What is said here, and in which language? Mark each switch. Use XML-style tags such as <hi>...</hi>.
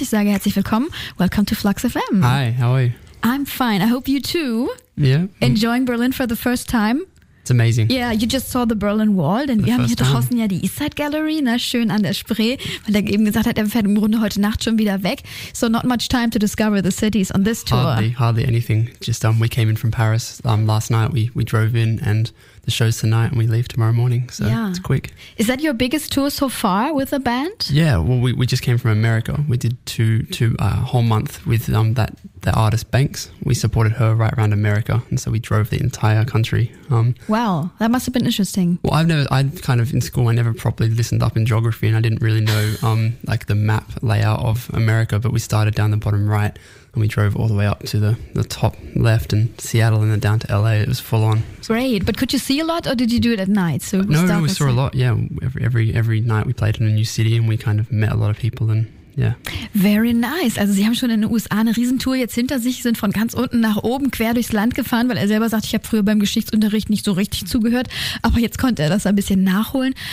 <de>Ich sage herzlich willkommen.</de> <en>Welcome to Flux FM. Hi, how are you? I'm fine. I hope you too. Yeah. Enjoying Berlin for the first time. It's amazing. Yeah, you just saw the Berlin Wall.</en> <de>Denn wir haben hier draußen ja die East Side Gallery, ne, schön an der Spree, weil er eben gesagt hat, er fährt im Grunde heute Nacht schon wieder weg.</de> <en>So not much time to discover the cities on this tour. Hardly anything. Just we came in from Paris last night. We drove in and the show's tonight and we leave tomorrow morning. So yeah, it's quick. Is that your biggest tour so far with a band? Yeah, well, we just came from America. We did two whole month with the artist Banks. We supported her right around America. And so we drove the entire country. Wow, that must have been interesting. Well, I never properly listened up in geography and I didn't really know like the map layout of America, but we started down the bottom right and we drove all the way up to the top left in Seattle and then down to LA. It was full on. Great. But could you see a lot or did you do it at night? So we saw a lot. Yeah. Every night we played in a new city and we kind of met a lot of people and yeah. Very nice.</en> <de>Also Sie haben schon in den USA eine Riesentour jetzt hinter sich, sind von ganz unten nach oben quer durchs Land gefahren, weil er selber sagt, ich habe früher beim Geschichtsunterricht nicht so richtig zugehört, aber jetzt konnte er das ein bisschen nachholen.</de>